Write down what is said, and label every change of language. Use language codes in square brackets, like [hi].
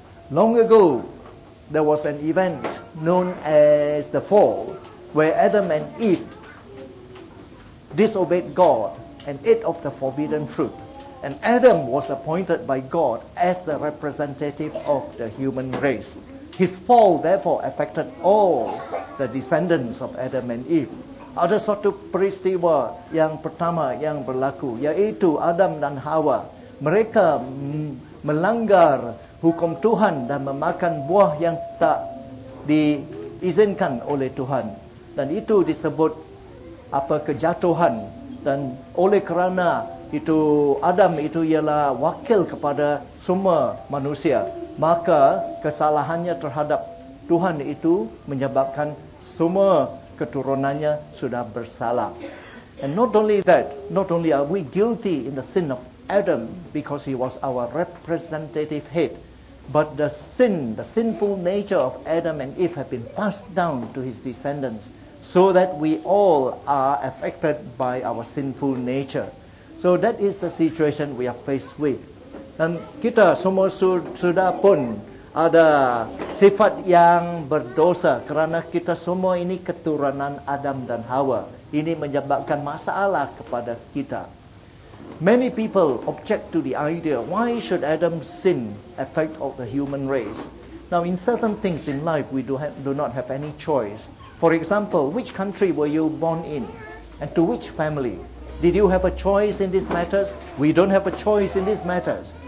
[en] Long ago, there was an event known as the fall, where Adam and Eve disobeyed God and ate of the forbidden fruit. And Adam was appointed by God as the representative of the human race. His fall, therefore, affected all the descendants of Adam and Eve. [ms] Ada satu peristiwa yang pertama yang berlaku, yaitu Adam dan Hawa. Mereka melanggar hukum Tuhan dan memakan buah yang tak diizinkan oleh Tuhan. Dan itu disebut kejatuhan. Dan oleh kerana itu Adam itu ialah wakil kepada semua manusia, maka kesalahannya terhadap Tuhan itu menyebabkan semua keturunannya sudah bersalah. [en] And not only are we guilty in the sin of Adam because he was our representative head, but the sinful nature of Adam and Eve have been passed down to his descendants, so that we all are affected by our sinful nature. So that is the situation we are faced with. [ms] Dan kita semua sudah pun ada sifat yang berdosa kerana kita semua ini keturunan Adam dan Hawa. Ini menyebabkan masalah kepada kita. [en] Many people object to the idea, why should Adam's sin affect all the human race? Now, in certain things in life, we do not have any choice. For example, which country were you born in and to which family? Did you have a choice in these matters? We don't have a choice in these matters.